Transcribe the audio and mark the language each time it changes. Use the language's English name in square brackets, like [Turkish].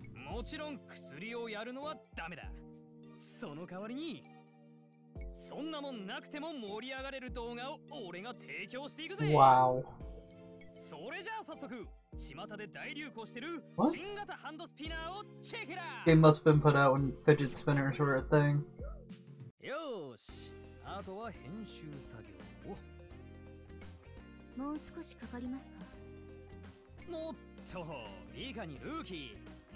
[Japanese] もちろん薬をやるのはダメだ。その代わりに、そんなもんなくても盛り上がれる動画を俺が提供していくぜ。わお。それじゃあ早速、巷で大流行してる新型ハンドスピナーをチェックだ。 [English] They must have been put out when fidget spinners were a thing. [Japanese] よし、あとは編集作業を。もう少しかかりますか？もっと、いかにルーキー。